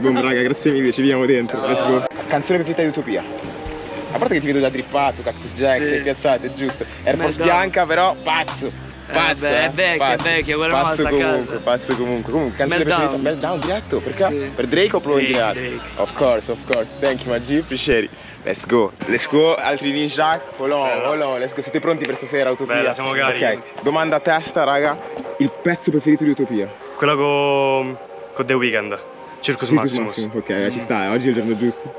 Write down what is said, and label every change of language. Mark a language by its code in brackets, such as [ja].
[it] Boom, raga, grazie mille, ci vediamo dentro. [en] Let's go. [it] Canzone preferita di Utopia. A parte che ti vedo già drippato, Cactus Jack, sì. Sei piazzato, è giusto. Air Force bianca, però pazzo. È vecchio, pazzo comunque. Canzone preferita, Meltdown diretto, perché? Sì. Per Drake o Pro sì, in generale? Drake. [en] Of course, thank you, my G, appreciate it. Let's go, [it] altri ninja, [en] hold on, let's go. [it] Siete pronti per stasera, Utopia? Bella, siamo cari. Ok, domanda a testa, raga, il pezzo preferito di Utopia? Quello con The Weeknd, Circus Maximus. Ok, ci sta, oggi è il giorno giusto.